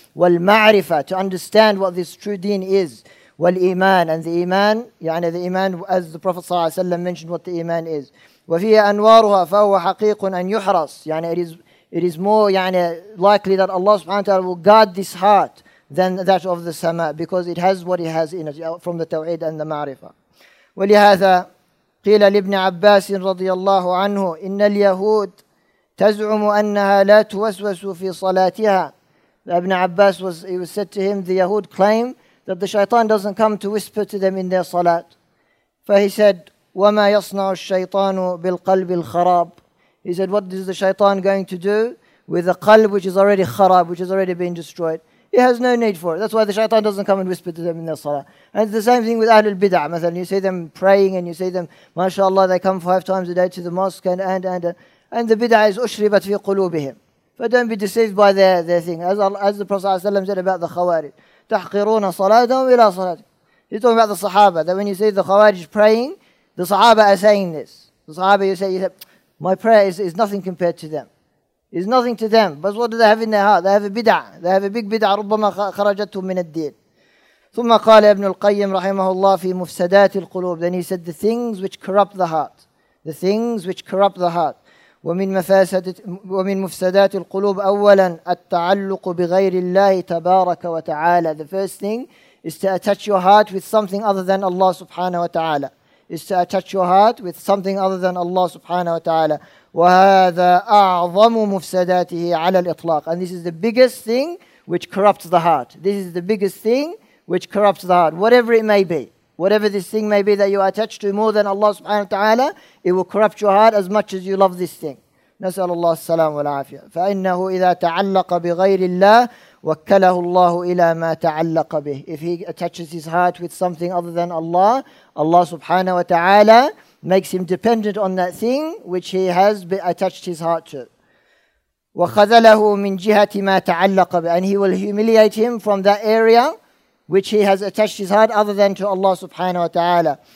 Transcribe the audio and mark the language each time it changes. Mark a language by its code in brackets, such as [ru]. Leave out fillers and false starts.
[en] Wal-ma'rifa, to understand what this true deen is. Wal-iman, and the iman, yani the iman, as the Prophet sallallahu alayhi wa sallam mentioned what the iman is. [ar] Wafiya anwaruha fahuwa haqiqun an yuhras, [en] yani it is more yani likely that Allah subhanahu wa ta'ala will guard this heart than that of the sama, because it has what it has in it from the tawhid and the ma'rifah. [ar] ولهذا قيل لابن عباس رضي الله عنه إن اليهود تزعم أنها لا توسوس في صلاتها. [en] Ibn Abbas was said to him, the Yahud claim that the shaitan doesn't come to whisper to them in their salat. [ar] فهي [en] said, [ar] وما يصنع الشيطان بالقلب الخراب. [en] He said, what is the shaitan going to do with a qalb which is already kharab, which has already been destroyed? He has no need for it. That's why the shaitan doesn't come and whisper to them in their salah. And it's the same thing with Ahlul Bid'ah. مثلا, you see them praying and you see them, mashallah, they come 5 times a day to the mosque and the bid'ah is [ar] ushribat fi qulubihim. [en] But don't be deceived by their thing. As the Prophet ﷺ said about the khawarij, [ar] تَحْقِرُونَ صَلَاتَهُمْ إِلَى صَلَاتِهِمْ. [en] He's talking about the sahaba, that when you see the khawarij praying, the sahaba are saying this. The sahaba, you say, my prayer is nothing compared to them. Is nothing to them. But what do they have in their heart? They have a bid'ah. They have a big bid'ah. [ar] رُبَّمَا خَرَجَتْهُمْ مِنَ الدِّينِ. ثُمَّ قَالَ إِبْنُ الْقَيِّمْ رَحِمَهُ اللَّهِ فِي مُفْسَدَاتِ الْقُلُوبِ. [en] Then he said, the things which corrupt the heart. The things which corrupt the heart. [ar] وَمِن مُفْسَدَاتِ الْقُلُوبِ أَوَّلًا التَّعَلُّقُ بِغَيْرِ اللَّهِ تَبَارَكَ وَتَعَالَى. [en] The first thing is to attach your heart with something other than Allah subhanahu wa ta'ala. Is to attach your heart with something other than Allah subhanahu wa ta'ala. [ar] وهذا أعظم مفسداته على الإطلاق. [en] And this is the biggest thing which corrupts the heart. This is the biggest thing which corrupts the heart. Whatever it may be, whatever this thing may be that you are attached to more than Allah subhanahu wa ta'ala, it will corrupt your heart as much as you love this thing. [ar] نسأل الله السلام والعافية. فإنه إذا تعلق بغير الله وكله الله إلى ما تعلق به. [en] If he attaches his heart with something other than Allah, Allah subhanahu wa ta'ala makes him dependent on that thing which he has attached his heart to. [ar] وَخَذَلَهُ مِنْ جِهَةِ مَا تَعَلَّقَ بِهِ. [en] And he will humiliate him from that area which he has attached his heart other than to Allah subhanahu wa ta'ala.